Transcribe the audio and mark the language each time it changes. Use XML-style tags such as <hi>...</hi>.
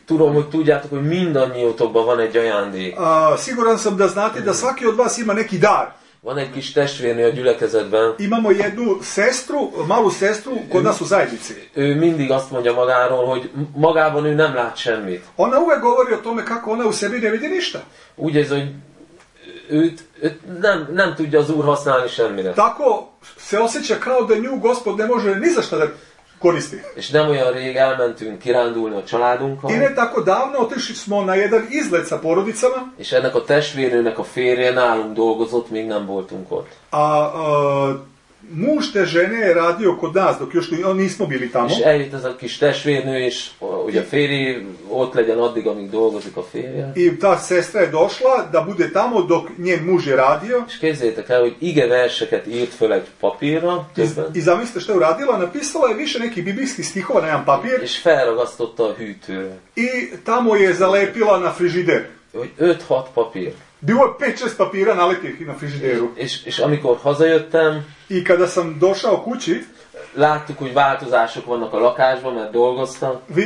<hu>Tudom, hogy tudjátok, hogy mindannyiótokban van egy ajándék.</hu> <sr>Siguran sam da znate da svaki od vas ima neki dar.</sr> <hu>Van egy kis testvérnő a gyülekezetben.</hu> <sr>Imamo jednu sestru, malu sestru, kod nas u zajednici.</sr> <hu>Ő mindig azt mondja magáról, hogy magában ő nem lát semmit.</hu> <sr>Ona uvek govori o tome kako ona u sebi ne vidi ništa.</sr> <hu>Úgy ez, hogy őt nem tudja az Úr használni semmire.</hu> <sr>Tako se osjeća kao da nju Gospod ne može ni za šta da koristi.</sr> <hu>És nem olyan rég elmentünk kirándulni a családunkkal.</hu> <sr>I ne tako davno otišli smo na jedan izlet sa porodicama.</sr> <hu>És ennek a testvérnőnek a férje nálunk dolgozott, még nem voltunk ott.</hu> <sr>A muž te žene je radio kod nas, dok još nismo bili tamo.</sr> <hu>És eljött ez a kis testvérnő, és ugye a férje ott legyen addig, amíg dolgozik a férje.</hu> <sr>I ta sestra je došla da bude tamo, dok njen muž je radio.</sr> <hu>És képzeljétek el, hogy ige verseket írt föl egy papírra.</hu> <sr>I zamislite što je uradila, napisala je više nekih biblijskih stihova na jedan papír.</sr> <hu>És felragasztotta a hűtőre.</hu> <sr>I tamo je zalepila na frižider.</sr> <hu>Hogy 5-6 papír.</hu> <sr>Bilo je 5-6 papíra nalepih na frižideru.</sr> <hu>És amikor hazajöttem,</hu> <sr>i kada sam došao kući,</sr> <hu>láttuk, hogy változások vannak a lakásban, mert dolgoztam.</hu>